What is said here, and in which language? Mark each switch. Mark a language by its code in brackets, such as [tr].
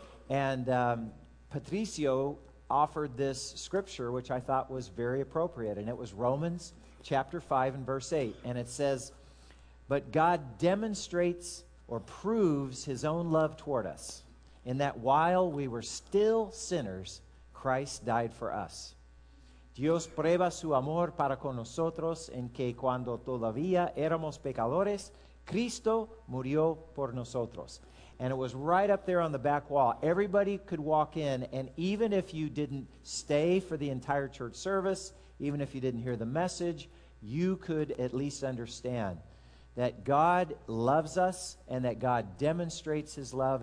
[en] And Patricio offered this scripture, which I thought was very appropriate, and it was Romans chapter 5 and verse 8. And it says, "But God demonstrates or proves his own love toward us, in that while we were still sinners, Christ died for us. [es] Dios prueba su amor para con nosotros en que cuando todavía éramos pecadores, Cristo murió por nosotros." [en] And it was right up there on the back wall. Everybody could walk in, and even if you didn't stay for the entire church service, even if you didn't hear the message, you could at least understand that God loves us and that God demonstrates his love.